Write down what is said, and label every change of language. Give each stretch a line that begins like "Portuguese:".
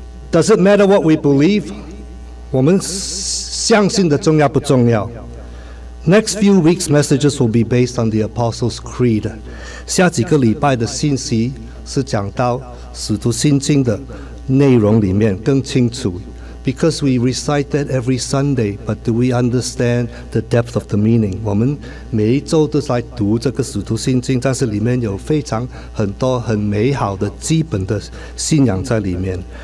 English: Does it matter what we believe?
Chinese: 我们相信的重要不重要？
English: Next few weeks' messages will be based on the Apostles' Creed.
Chinese: 下几个礼拜的信息是讲到《使徒信经》的内容里面更清楚。
English: Because we recite that every Sunday, but do we understand the depth of the meaning?
Chinese: 我们每一周都在读这个《使徒信经》，但是里面有非常很多很美好的基本的信仰在里面。